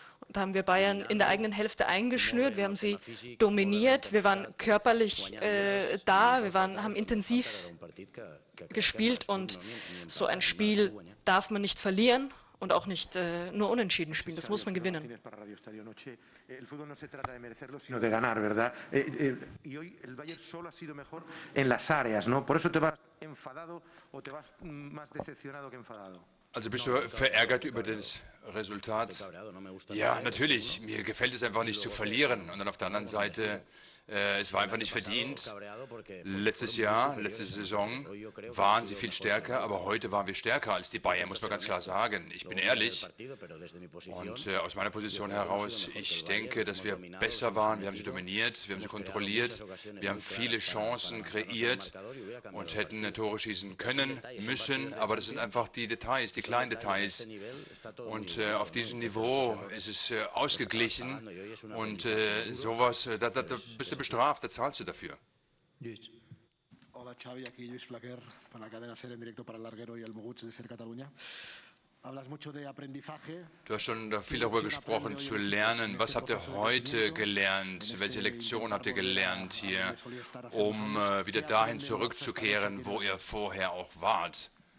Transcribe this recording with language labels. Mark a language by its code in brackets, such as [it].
[de] Da haben wir Bayern in der eigenen Hälfte eingeschnürt, wir haben sie dominiert, wir waren körperlich da, wir haben intensiv gespielt und so ein Spiel darf man nicht verlieren und auch nicht nur unentschieden spielen, das muss man gewinnen. [es] El fútbol no se trata de merecerlo, sino de ganar, ¿verdad? Y hoy el Bayern solo ha sido mejor en las áreas, ¿no? Por eso te vas enfadado o te vas más decepcionado que enfadado. [de] Also bist du verärgert über das Resultat? Ja, natürlich. Mir gefällt es einfach nicht zu verlieren. Und dann auf der anderen Seite, es war einfach nicht verdient. Letztes Jahr, letzte Saison waren sie viel stärker, aber heute waren wir stärker als die Bayern, muss man ganz klar sagen. Ich bin ehrlich und aus meiner Position heraus, ich denke, dass wir besser waren. Wir haben sie dominiert, wir haben sie kontrolliert, wir haben viele Chancen kreiert und hätten Tore schießen können, müssen, aber das sind einfach die Details, die kleinen Details. Und auf diesem Niveau ist es ausgeglichen und sowas, da bist du bestraft, da zahlst du dafür. [es] Hola Xavi, aquí Lluís Flaquer, para la cadena SER en directo para el Larguero y el Moguts de SER Catalunya. [de] Du hast schon viel darüber gesprochen, zu lernen. Was habt ihr heute gelernt? Welche Lektion habt ihr gelernt hier, um wieder dahin zurückzukehren, wo ihr vorher auch wart?